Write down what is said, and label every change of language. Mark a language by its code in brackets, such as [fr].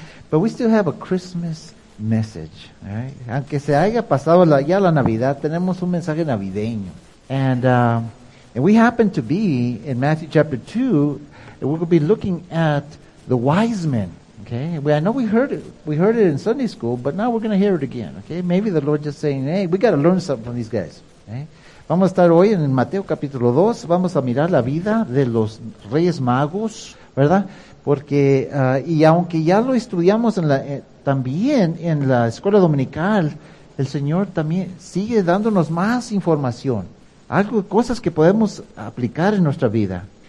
[en] But we still have a Christmas message, right? [es] Aunque se haya pasado ya la Navidad, tenemos un mensaje navideño. [en] And we happen to be in Matthew chapter 2, and we'll be looking at the wise men. Okay, well, I know we heard it in Sunday school, but now we're going to hear it again. Okay, maybe the Lord just saying, hey, we got to learn something from these guys. Okay? [es] Vamos a estar hoy en Mateo capítulo 2, vamos a mirar la vida de los reyes magos, ¿verdad? Porque, y aunque ya lo estudiamos también en la escuela dominical, el Señor también sigue dándonos más información, cosas que podemos aplicar en nuestra vida.